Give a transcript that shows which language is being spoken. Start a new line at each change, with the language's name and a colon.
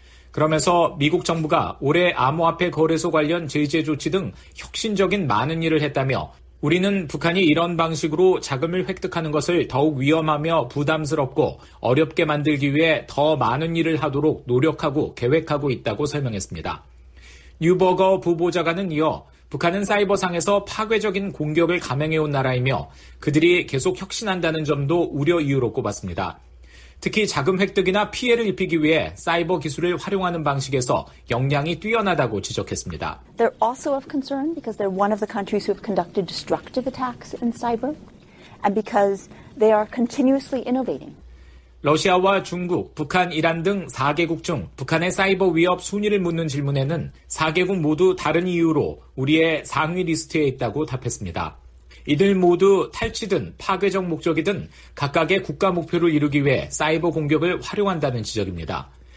Korean: 그러면서 미국 정부가 올해 암호화폐 거래소 관련 제재 조치 등 혁신적인 많은 일을 했다며 우리는 북한이 이런 방식으로 자금을 획득하는 것을 더욱 위험하며 부담스럽고 어렵게 만들기 위해 더 많은 일을 하도록 노력하고 계획하고 있다고 설명했습니다. 뉴버거 부보좌관은 이어 북한은 사이버상에서 파괴적인 공격을 감행해온 나라이며 그들이 계속 혁신한다는 점도 우려 이유로 꼽았습니다. 특히 자금 획득이나 피해를 입히기 위해 사이버 기술을 활용하는 방식에서 역량이 뛰어나다고 지적했습니다.
English: They're also of concern because they're one of the countries who have conducted destructive attacks in cyber and because they are continuously innovating.
Korean: 러시아와 중국, 북한, 이란 등 4개국 중 북한의 사이버 위협 순위를 묻는 질문에는 4개국 모두 다른 이유로 우리의 상위 리스트에 있다고 답했습니다. 이들 모두 탈취든 파괴적 목적이든 각각의 국가 목표를 이루기 위해 사이버 공격을 활용한다는 지적입니다.